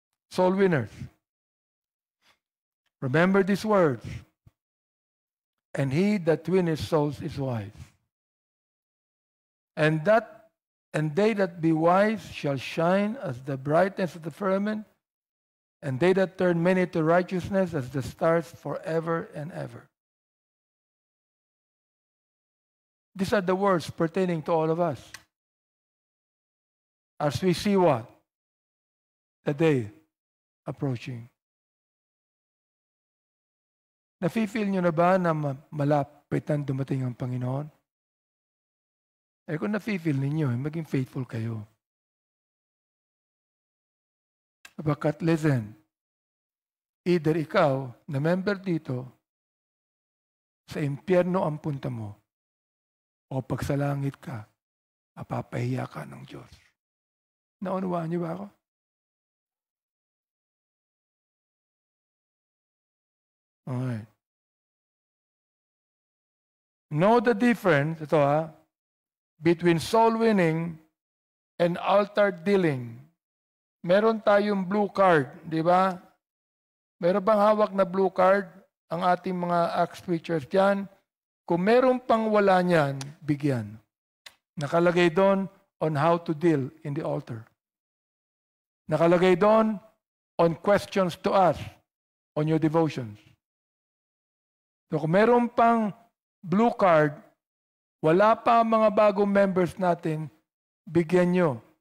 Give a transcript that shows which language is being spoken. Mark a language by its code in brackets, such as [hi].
[en] Soul winners, remember these words, and he that winneth souls is wise, and they that be wise shall shine as the brightness of the firmament, and they that turn many to righteousness as the stars forever and ever. These are the words pertaining to all of us as we see what the day approaching. [tl] Nafi-feel nyo na ba na malapit na dumating ang Panginoon? Eh kung nafi-feel ninyo, maging faithful kayo. Habakkuk, [en] listen. [tl] Either ikaw na member dito, sa impyerno ang punta mo, o pag sa langit ka, mapapahiya ka ng Diyos. Naunawaan niyo ba ako? [en] Alright. Know the difference, ito ha, between soul winning and altar dealing. [tl] Meron tayong blue card, di ba? Meron bang hawak na blue card ang ating mga Acts preachers dyan? Kung meron pang wala niyan, bigyan. Nakalagay doon [en] on how to deal in the altar. Nakalagay doon on questions to ask on your devotions. [tl] So kung meron pang blue card, wala pa ang mga bagong members natin, bigyan nyo.